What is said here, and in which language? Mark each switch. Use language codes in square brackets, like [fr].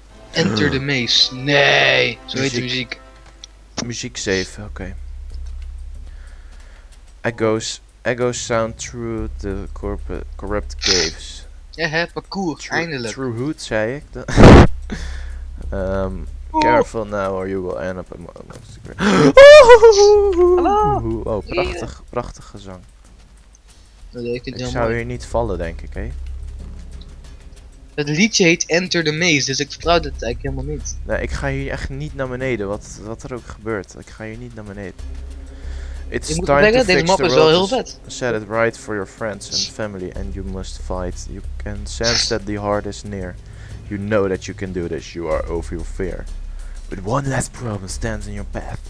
[en] Enter the Maze. [nl] Nee, zo muziek. Heet die muziek. Muziek 7, oké. Okay. [en] Echoes sound through the corrupt caves. [nl] Ja, hè, parcours, eindelijk. [en] True hood, [nl] zei ik. [en] Careful now or you will end up amongst the grave. [nl] Hallo! Oh, prachtig, prachtig gezang. Ik zou hier niet vallen, denk ik, hé. Het liedje heet Enter the Maze, dus ik vertrouw dit eigenlijk helemaal niet. Nee, ik ga hier echt niet naar beneden, wat er ook gebeurt. Ik ga hier niet naar beneden. [en] It's time to fix the road. [nl] Deze map is wel heel vet. [en] Set it right for your friends and family and you must fight. You can sense that the heart is near. You know that you can do this, you are over your fear. But one last problem stands in your path.